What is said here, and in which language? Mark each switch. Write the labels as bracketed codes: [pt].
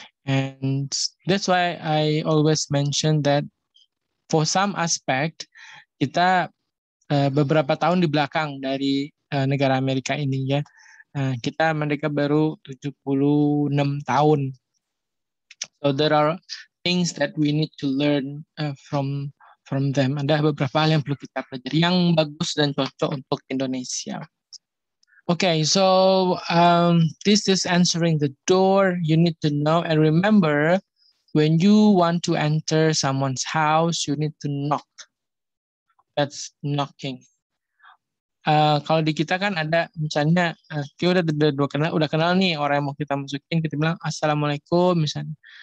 [en] And that's why I always mention that for some aspect [id] kita beberapa tahun di belakang dari negara Amerika ini ya. Kita mereka baru 76 tahun. [en] So there are things that we need to learn from them. [id] Ada beberapa hal yang perlu kita pelajari yang bagus dan cocok untuk Indonesia. [en] Okay, so this is answering the door. You need to know and remember, when you want to enter someone's house, you need to knock. That's knocking. [id] Kalau di kita kan ada misalnya, kita udah kenal nih orang yang mau kita masukin, kita bilang assalamualaikum misalnya.